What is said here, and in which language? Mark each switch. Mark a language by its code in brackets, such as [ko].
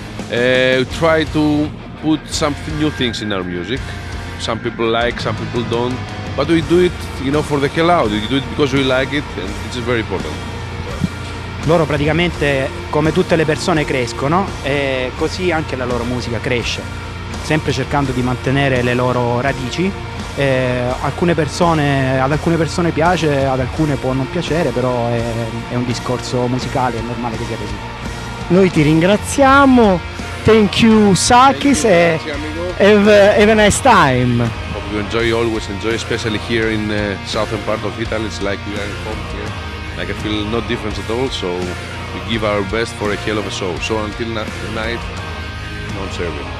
[en] We try to put some new things in our music. Some people like, some people don't. But we do it, you know, for the hell out. We do it because we like it, and it's very important. [it] Loro praticamente, come tutte le persone, crescono, e così anche la loro musica cresce, sempre cercando di mantenere le loro radici. Ad alcune persone piace, ad alcune può non piacere, però è un discorso musicale, è normale che sia così. Noi ti ringraziamo, [en] thank you [it] Sakis, [en] thank you, have a nice time. Hope you enjoy, always enjoy, especially here in the southern part of Italy. It's like we are home here. Like I feel no difference at all, so we give our best for a hell of a show. So until tonight, [it] non serve.